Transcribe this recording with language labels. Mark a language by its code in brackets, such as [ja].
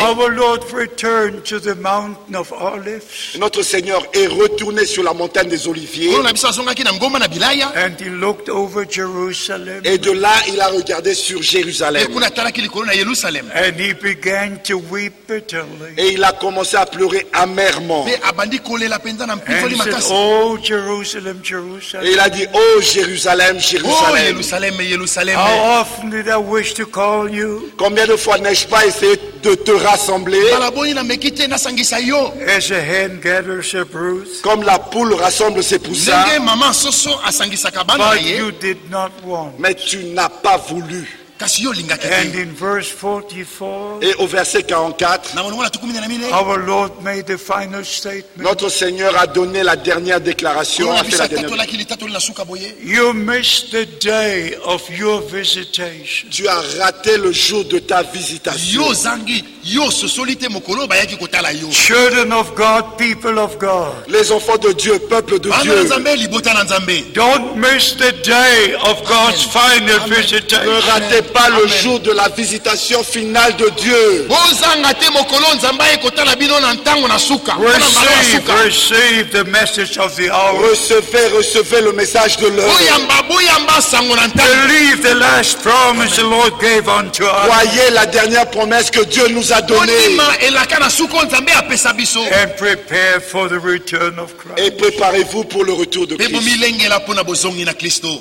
[en] our Lord returned to the mountain of Olives. [fr] Notre Seigneur est retourné sur la montagne des Oliviers. [en] And he looked over Jerusalem. [fr] Et de là, il a regardé sur Jérusalem. [en] And he began to weep bitterly. [fr] Et il a commencé à pleurer amèrement. [en] And he said, oh Jerusalem, Jerusalem. [fr] Et il a dit, oh Jérusalem, Jérusalem. Oh Jérusalem, Jérusalem. [en] How often did I wish to call you? [fr] Combien de fois n'ai-je pas essayé de te rassembler? [en] As a hen gathers her brood. [fr] Comme la poule rassemble ses poussins. [en] But you did not want. [fr] Mais tu n'as pas voulu. [en] And in verse 44, [fr] et au verset 44, [en] our Lord made the final statement. [fr] Notre Seigneur a donné la dernière déclaration. [en] You missed the day of your visitation. [fr] Tu as raté le jour de ta visitation. [en] Children of God, people of God. [fr] Les enfants de Dieu, peuple de Dieu. [en] Don't miss the day of God's final visitation. [fr] Ne ratez pas le jour de la visitation finale de Dieu. [en] Receive the message of the hour. [fr] Recevez le message de l'heure. [en] Believe the last promise the Lord gave unto us. [fr] Croyez la dernière promesse que Dieu nous a donnée. [en] And prepare for the return of Christ. [fr] Et préparez-vous pour le retour de Christ.